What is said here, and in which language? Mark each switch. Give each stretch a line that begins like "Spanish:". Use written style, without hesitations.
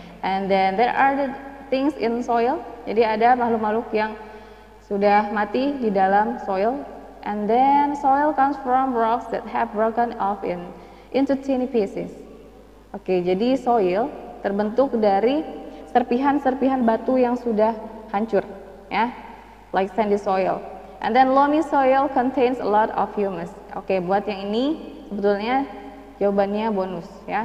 Indonesian: And then there are the things in soil. Jadi ada makhluk-makhluk yang sudah mati di dalam soil.
English: And then soil comes from rocks that have broken off into tiny pieces.
Indonesian: Okay, jadi soil terbentuk dari serpihan-serpihan batu yang sudah hancur, ya, yeah?
English: Like sandy soil. And then loamy soil contains a lot of humus.
Indonesian: Oke, okay, buat yang ini sebetulnya jawabannya bonus, ya.